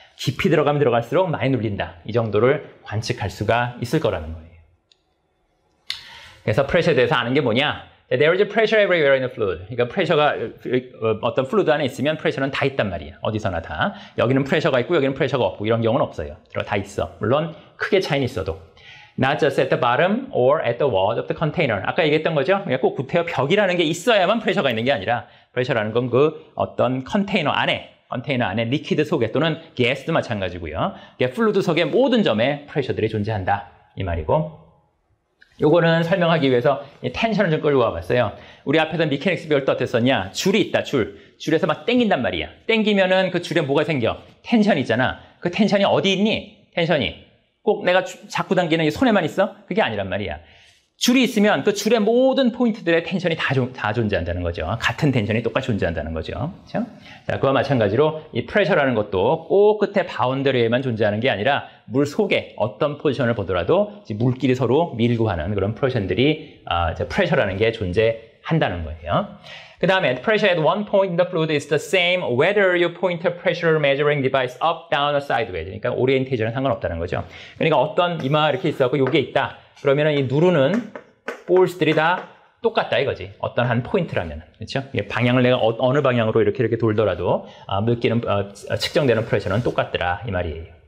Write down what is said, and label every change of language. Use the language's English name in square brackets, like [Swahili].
[Korean] 깊이 들어가면 들어갈수록 많이 눌린다. 이 정도를 관측할 수가 있을 거라는 거예요. 그래서 프레셔에 대해서 아는 게 뭐냐? [English] There is pressure everywhere in the fluid. [Korean] 그러니까 프레셔가 어떤 플루드 안에 있으면 프레셔는 다 있단 말이야. 어디서나 다. 여기는 프레셔가 있고 여기는 프레셔가 없고 이런 경우는 없어요. 다 있어. 물론 크게 차이는 있어도. [English] Not just at the bottom or at the wall of the container. [Korean] 아까 얘기했던 거죠? 꼭 구태여 벽이라는 게 있어야만 프레셔가 있는 게 아니라 프레셔라는 건 그 어떤 컨테이너 안에 리퀴드 속에 또는 가스도 마찬가지고요. 플루드 속에 모든 점에 프레셔들이 존재한다. 이 말이고 요거는 설명하기 위해서 텐션을 좀 끌고 와봤어요. 우리 앞에서 미케닉스 배울 때 어땠었냐? 줄이 있다, 줄. 줄에서 막 땡긴단 말이야. 땡기면은 그 줄에 뭐가 생겨? 텐션 있잖아. 그 텐션이 어디 있니? 텐션이. 꼭 내가 잡고 당기는 게 손에만 있어? 그게 아니란 말이야. 줄이 있으면 그 줄의 모든 포인트들의 텐션이 다 존재한다는 거죠. 같은 텐션이 똑같이 존재한다는 거죠. 그렇죠? 자, 그와 마찬가지로 이 프레셔라는 것도 꼭 끝에 바운더리에만 존재하는 게 아니라 물 속에 어떤 포지션을 보더라도 물끼리 서로 밀고 하는 그런 포지션들이 프레셔라는 게 존재한다는 거예요. 그 다음에 [English] pressure at one point in the fluid is the same whether you point a pressure measuring device up, down, or sideways. [Korean] 그러니까 오리엔테이션은 상관없다는 거죠. 그러니까 어떤 이마 이렇게 있어갖고 여기에 있다. 그러면은 이 누르는 볼스들이 다 똑같다 이거지. 어떤 한 포인트라면. 그렇죠? 이게 방향을 내가 어느 방향으로 이렇게 돌더라도 느끼는 측정되는 프레셔는 똑같더라 이 말이에요.